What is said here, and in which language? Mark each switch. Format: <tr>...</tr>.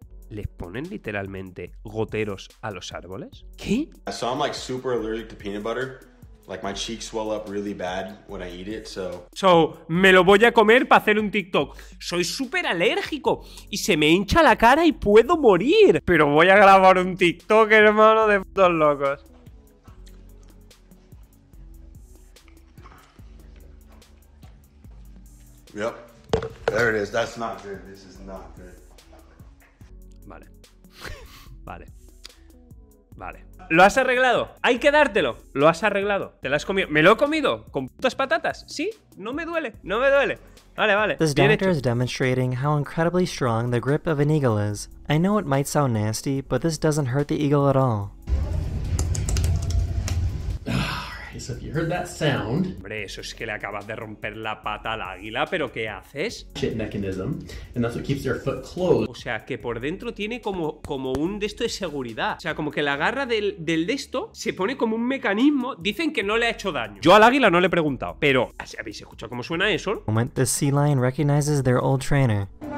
<es>Les ponen literalmente goteros a los árboles? ¿Qué?</es> <en>So I'm like super allergic to peanut butter. Like my cheeks swell up really bad when I eat it, so...</en> <es>So, me lo voy a comer para hacer un TikTok. Soy súper alérgico y se me hincha la cara y puedo morir. Pero voy a grabar un TikTok, hermano, de putos locos.</es> <en>Yep. There it is. That's not good. This is not good.</en> <es>Vale. Vale. Vale. ¿Lo has arreglado? ¡Hay que dártelo! ¿Lo has arreglado? ¿Te lo has comido? ¿Me lo he comido? ¿Con putas patatas? ¿Sí? No me duele, no me duele. Vale, vale.</es> <en>This doctor is demonstrating how incredibly strong the grip of an eagle is. I know it might sound nasty, but this doesn't hurt the eagle at all. Ah, Okay, so if you heard that sound.</en> <es>Hombre, eso es que le acabas de romper la pata al águila, pero ¿qué haces?</es> <en>Shit mechanism, and that's what keeps their foot closed.</en> <es>O sea, que por dentro tiene como un de esto de seguridad. O sea, como que la garra del de esto se pone como un mecanismo. Dicen que no le ha hecho daño. Yo al águila no le he preguntado, pero ¿habéis escuchado cómo suena eso?</es> <en>Moment, the sea lion recognizes their old trainer.</en>